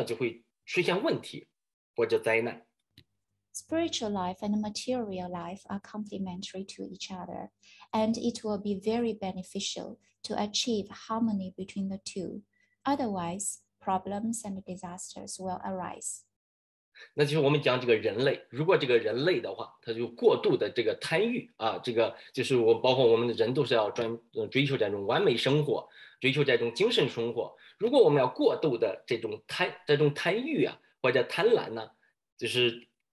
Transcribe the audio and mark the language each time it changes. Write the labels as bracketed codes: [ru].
[zh] 那这个精神生活和物质生活它是相辅相成的，就如果我们能掌握好一种平衡的话，我们说是很好，它是很美满的，但如果掌握不好这种平衡，就是那就会出现问题或者灾难。 [en] Spiritual life and material life are complementary to each other, and it will be very beneficial to achieve harmony between the two. Otherwise, problems and disasters will arise. [zh] 那就是我们讲这个人类，如果这个人类的话，他就过度的这个贪欲，这个就是我包括我们的人都是要追求这种完美生活，追求这种精神生活。如果我们要过度的这种贪欲，或者贪婪呢，就是。